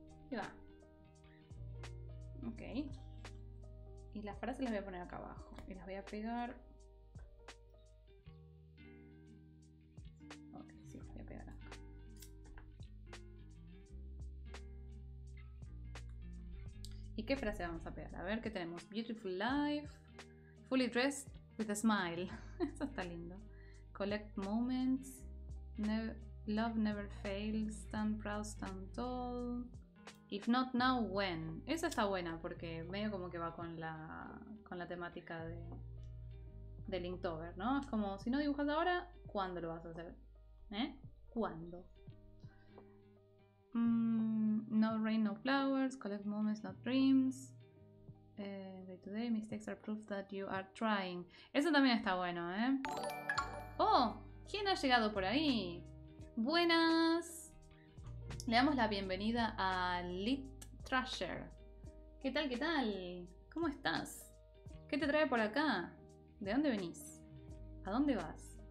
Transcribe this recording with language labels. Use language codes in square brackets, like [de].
[es] Y va. Ok. Y las frases las voy a poner acá abajo. Y las voy a pegar. Ok, sí, las voy a pegar acá. ¿Y qué frase vamos a pegar? A ver, ¿qué tenemos? [en] Beautiful life. Fully dressed with a smile. [es] Eso está lindo. [en] Collect moments. Love never fails. Stand proud, stand tall. If not now, when. [es] Esa está buena porque medio como que va con la temática de Linktober, ¿no? Es como, si no dibujas ahora, ¿cuándo lo vas a hacer? ¿Eh? ¿Cuándo? [en] No rain, no flowers. Collect moments, not dreams. Day to day, mistakes are proof that you are trying. [es] Eso también está bueno, ¿eh? ¡Oh! ¿Quién ha llegado por ahí? ¡Buenas! Le damos la bienvenida a Lit Trasher. ¿Qué tal, qué tal? ¿Cómo estás? ¿Qué te trae por acá? ¿De dónde venís? ¿A dónde vas?